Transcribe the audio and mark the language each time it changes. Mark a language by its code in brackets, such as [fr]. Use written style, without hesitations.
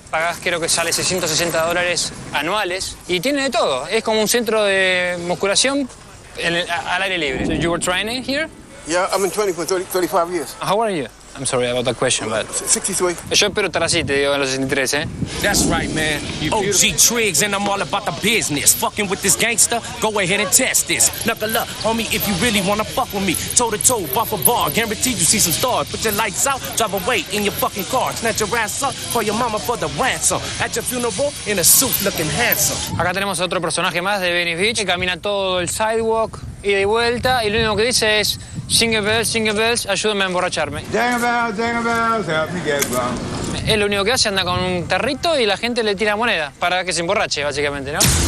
[es] Pagás, creo que sale $660 anuales y tiene de todo. Es como un centro de musculación al aire libre. [en] So you were training here? Yeah, I've been training for 35 years. How old are you? I'm sorry about that question, but 63. [es] Yo espero estar así, te digo, en los 63, ¿eh? [en] That's right, man. OG Triggs, and I'm all about the business. Fucking with this gangster, go ahead and test this. Knuckle up, homie, if you really wanna fuck with me. Toe to toe, bar for bar, guaranteed you see some stars. Put your lights out, drive away in your fucking car. Snatch your ass up, call your mama for the ransom. At your funeral, in a suit looking handsome. [es] Acá tenemos otro personaje más de Venice Beach, que camina todo el sidewalk, y de vuelta, y lo único que dice es Jingle bells, ayúdame a emborracharme. [en] Jingle bells, help me get drunk. [es] Es lo único que hace, anda con un tarrito y la gente le tira moneda para que se emborrache, básicamente, ¿no?